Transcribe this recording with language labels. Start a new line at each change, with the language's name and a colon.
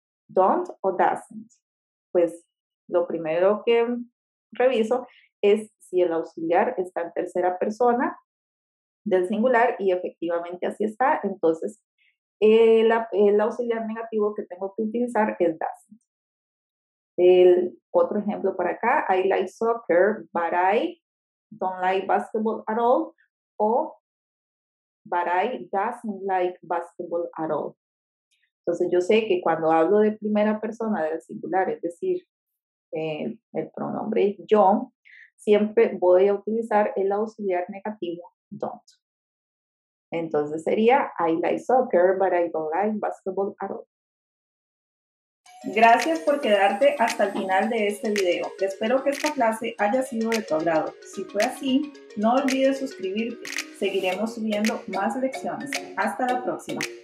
Spanish: ¿Don't o doesn't? Pues lo primero que reviso es si el auxiliar está en tercera persona del singular y efectivamente así está. Entonces, el auxiliar negativo que tengo que utilizar es doesn't. El otro ejemplo para acá,
English: I like soccer, but I don't like basketball at all. O but I doesn't like basketball at all.
Spanish: Entonces yo sé que cuando hablo de primera persona del singular, es decir, el pronombre yo, siempre voy a utilizar el auxiliar negativo don't. Entonces sería
English: I like soccer, but I don't like basketball at all.
Spanish: Gracias por quedarte hasta el final de este video. Espero que esta clase haya sido de tu agrado. Si fue así, no olvides suscribirte. Seguiremos subiendo más lecciones. Hasta la próxima.